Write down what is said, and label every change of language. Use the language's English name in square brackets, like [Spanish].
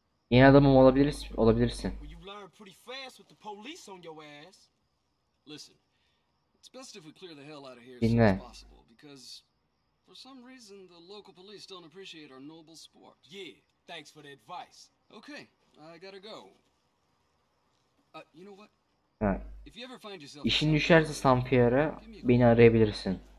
[Turkish] Yeni adamım olabilirsin. [English] Pretty fast with the police on your ass. Listen, it's best if we clear the hell out of here as soon as possible because for some reason the local police don't appreciate our noble sport. Yeah, thanks for the advice. Okay, I gotta go. You know what? If you ever find yourself [Turkish] işin düşerse San Pierre'e beni arayabilirsin.